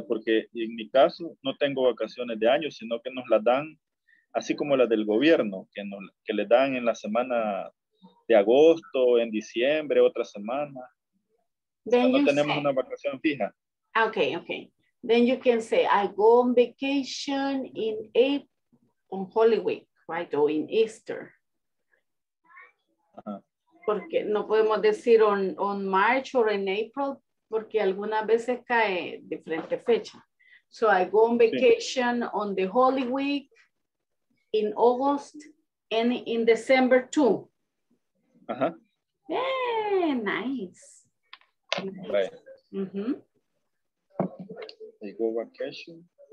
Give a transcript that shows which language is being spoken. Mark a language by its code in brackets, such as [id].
[es] Porque en mi caso, no tengo vacaciones de año, sino que nos las dan, así como las del gobierno, que le dan en la semana de agosto, en diciembre, otra semana. [en] Then [es] no tenemos una vacación fija. [en] Okay, okay. Then you can say, I go on vacation in April, on Holy Week, right? Or in Easter. Uh-huh. [es] Porque no podemos decir [en] on March or in April, [es] porque algunas veces cae diferente fecha. [en] So I go on vacation on the Holy Week in August and in December too. Uh-huh. Yeah, nice. Right. Mm-hmm. I go vacation.